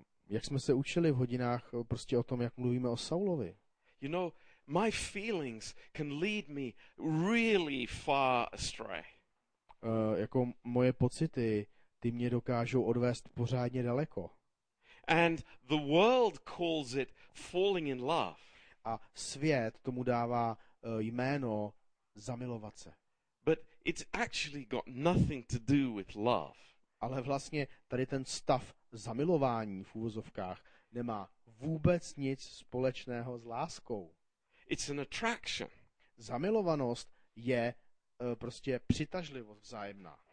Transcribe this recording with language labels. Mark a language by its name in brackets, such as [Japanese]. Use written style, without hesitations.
[Czech] Jak jsme se učili v hodinách prostě o tom, jak mluvíme o Saulovi. [English] You know, my feelings can lead me really far astray. [Czech] Jako moje pocity, ty mě dokážou odvést pořádně daleko. [English] And the world calls it falling in love. [Czech] A svět tomu dává jméno zamilovat se. [English] But it's actually got nothing to do with love. [Czech] Ale vlastně tady ten stav zamilování v uvozovkách nemá vůbec nic společného s láskou. [English] It's an attraction. [Czech] Zamilovanost je prostě přitažlivost vzájemná.